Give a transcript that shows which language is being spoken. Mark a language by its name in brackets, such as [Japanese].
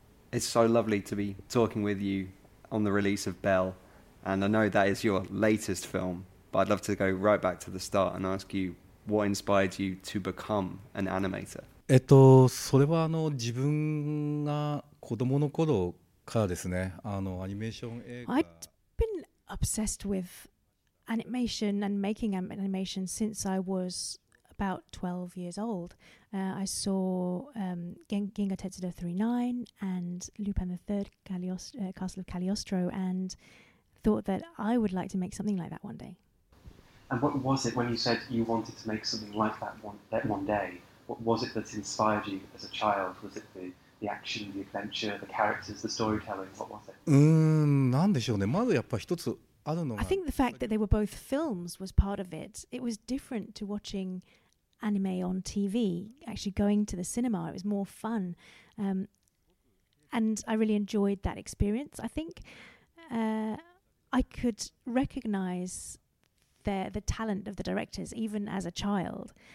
[English] It's so lovely to be talking with you on the release of Belle. And I know that is your latest film, but I'd love to go right back to the start and ask you, what inspired you to become an animator? [Japanese] それは自分が子供の頃からですね、アニメーション映画。 [English] I've been obsessed with animation and making animation since I was about 12 years old. I saw Ginga Tetsudo 39 and Lupin the Third, Castle of Cagliostro, and thought that I would like to make something like that one day. And what was it when you said you wanted to make something like that one day? What was it that inspired you as a child? Was it the action, the adventure, the characters, the storytelling? What was it? [Japanese] なんでしょうね。まずやっぱ一つあるのが。 [English] I think the fact that they were both films was part of it. It was different to watching anime on TV, actually going to the cinema. It was more fun. And I really enjoyed that experience. I think I could recognize the talent of the directors even as a child.